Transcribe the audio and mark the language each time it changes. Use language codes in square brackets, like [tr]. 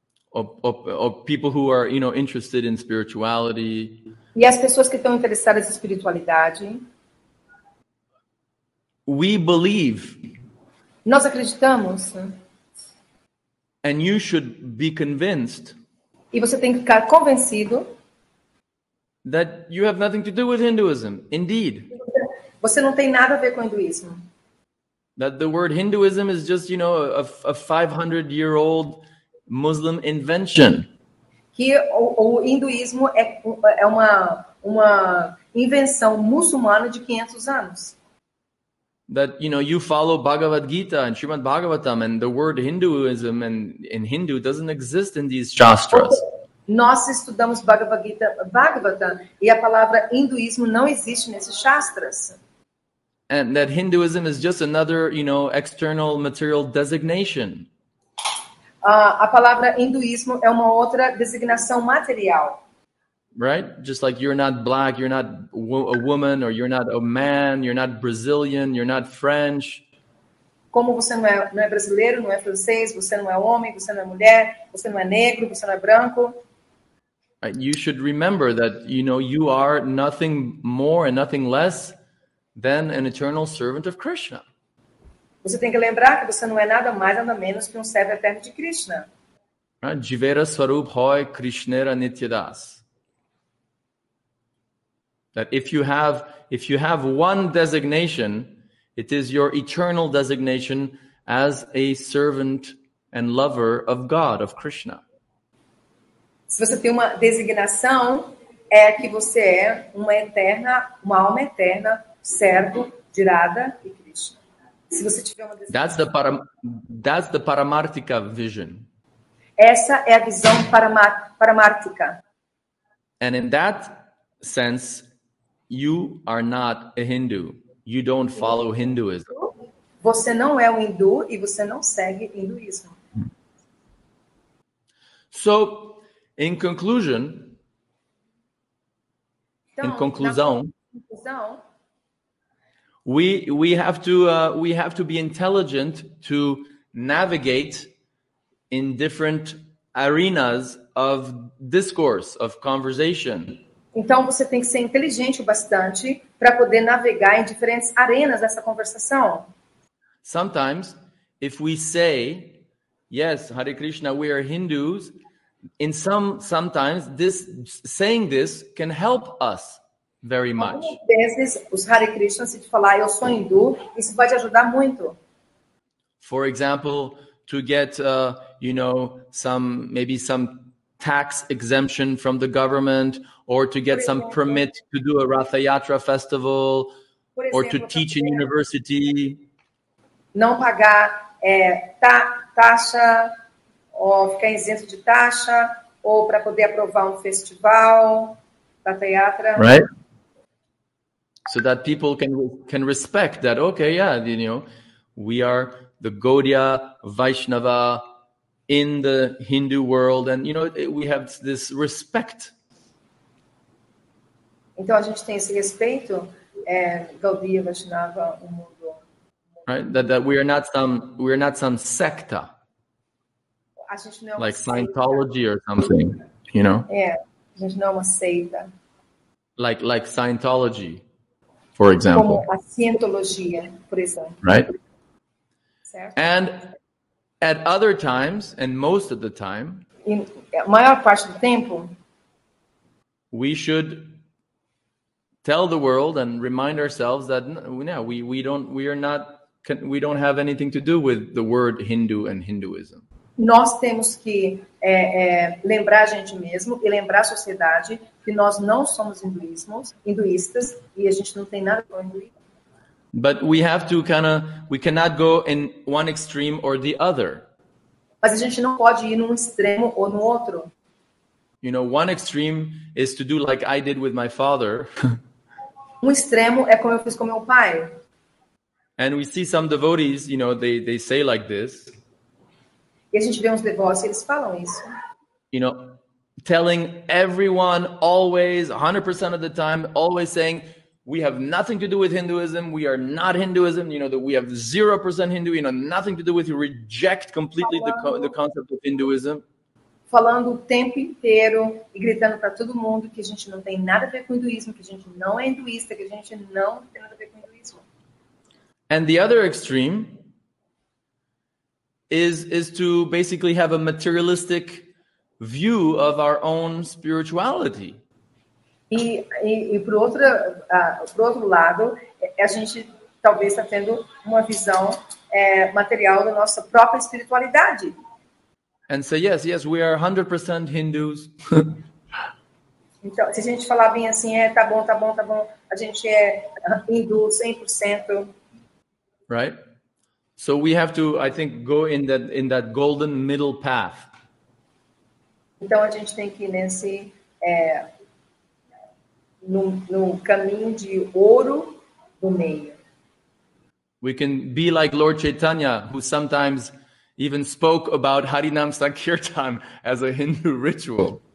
[en] Of people who are, you know, interested in spirituality. [pt] E as pessoas que estão interessadas em espiritualidade. [en] We believe. [pt] Nós acreditamos. [en] And you should be convinced. [pt] E você tem que ficar convencido. [en] That you have nothing to do with Hinduism. Indeed. [pt] Você não tem nada a ver com o hinduísmo. [en] That the word Hinduism is just, you know, a 500-year-old Muslim invention. [pt] Que o hinduísmo é uma invenção muçulmana de 500 anos. [en] That, you know, you follow Bhagavad Gita and Srimad Bhagavatam and the word Hinduism and in Hindu doesn't exist in these shastras. [pt] Nós estudamos Bhagavad Gita, Bhagavatam e a palavra hinduísmo não existe nesses shastras. [en] And that Hinduism is just another, you know, external material designation. [pt] A palavra hinduísmo é uma outra designação material. [en] Right? Just like you're not black, you're not a woman, or you're not a man, you're not Brazilian, you're not French. [pt] Como você não é brasileiro, não é francês, você não é homem, você não é mulher, você não é negro, você não é branco. [en] You should remember that, you know, you are nothing more and nothing less than an eternal servant of Krishna. [pt] Você tem que lembrar que você não é nada mais, nada menos que servo eterno de Krishna. [bn] Jivera Swarup Hoy Krishnera Nityadas. [en] That if you have one designation, it is your eternal designation as a servant and lover of God, of Krishna. [pt] Se você tem uma designação, que você é uma alma eterna, servo de Radha e Krishna. Se você tiver uma designação, [en] that's the paramartika vision. [pt] Essa é a visão paramartika. [en] And in that sense, you are not a Hindu. You don't follow Hinduism. [pt] Você não é um hindu e você não segue hinduísmo. [en] So, in conclusion, [pt] então, in conclusão, [en] we have to be intelligent to navigate in different arenas of discourse, of conversation. [pt] Então você tem que ser inteligente o bastante para poder navegar em diferentes arenas dessa conversação. [en] Sometimes, if we say, yes, Hare Krishna, we are Hindus, in some, sometimes, this saying this can help us very much. [pt] Algumas vezes, os Hare Krishna, se te falar, eu sou Hindu, isso pode ajudar muito. [en] For example, to get, you know, some, maybe some tax exemption from the government, or to get some permit to do a Ratha Yatra festival, or to teach in university. [pt] Não pagar taxa, ou ficar isento de taxa, ou para poder aprovar festival, Ratha Yatra. [en] Right? So that people can respect that, okay, yeah, you know, we are the Gaudiya Vaishnava in the Hindu world, and you know, we have this respect. [pt] Então a gente tem esse respeito, Gaudiya Vaishnava, o mundo. [en] Right, that we are not some secta. [pt] A gente não é [en] like Scientology seita. Or something, you know? [pt] Yeah, a gente não é uma seita. [en] Like Scientology, for example. [pt] Como a Cientologia, por exemplo. [en] Right. [pt] Certo. [en] And at other times, and most of the time, [pt] in maior parte do tempo, [en] we should tell the world and remind ourselves that we don't have anything to do with the word Hindu and Hinduism. [pt] Nós temos que lembrar a gente mesmo e lembrar a sociedade que nós não somos hinduístas e a gente não tem nada com hinduísmo. [en] But we have to kind of, we cannot go in one extreme or the other. [pt] Mas a gente não pode ir num extremo ou no outro. [en] You know, one extreme is to do like I did with my father. [pt] extremo é como eu fiz com meu pai. [en] And we see some devotees, you know, they say like this. [pt] E a gente vê uns devotos e eles falam isso. [en] You know, telling everyone always, 100% of the time, always saying, we have nothing to do with Hinduism. We are not Hinduism. You know, that we have 0% Hindu. You know, nothing to do with you. Reject completely the concept of Hinduism. [pt] Falando o tempo inteiro e gritando para todo mundo que a gente não tem nada a ver com hinduísmo, que a gente não é hinduísta, que a gente não tem nada a ver com hinduísmo. [en] And the other extreme is to basically have a materialistic view of our own spirituality. [pt] E pro outro lado, a gente talvez está tendo uma visão material da nossa própria espiritualidade. [en] And say, yes, we are 100% Hindus. [pt] Então, se a gente falar bem assim, tá bom, a gente é hindu 100%. [en] Right? So we have to, I think, go in that golden middle path. [pt] Então, a gente tem que ir nesse... No caminho de ouro do meio. [en] We can be like Lord Chaitanya, who sometimes even spoke about Harinam Sankirtan as a Hindu ritual.